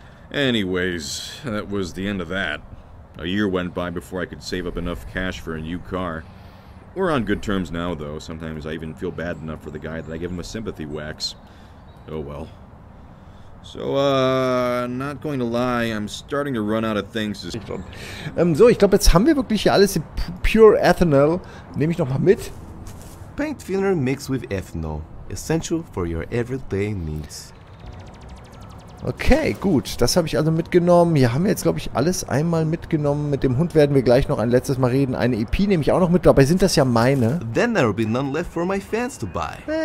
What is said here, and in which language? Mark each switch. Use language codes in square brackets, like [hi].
[en] Anyways, that was the end of that. A year went by before I could save up enough cash for a new car. We're on good terms now, though. Sometimes I even feel bad enough for the guy that I give him a sympathy wax. Oh well. So, not going to lie, I'm starting to run out of things. [de] So, ich glaube, jetzt haben wir wirklich hier alles in pure Ethanol. Nehme ich nochmal mit. [en] Paint thinner mixed with ethanol. Essential for your everyday needs. [de] Okay, gut. Das habe ich also mitgenommen. Hier haben wir jetzt, glaube ich, alles einmal mitgenommen. Mit dem Hund werden wir gleich noch ein letztes Mal reden. Eine EP nehme ich auch noch mit. Dabei sind das ja meine. [en] Then there will be none left for my fans to buy.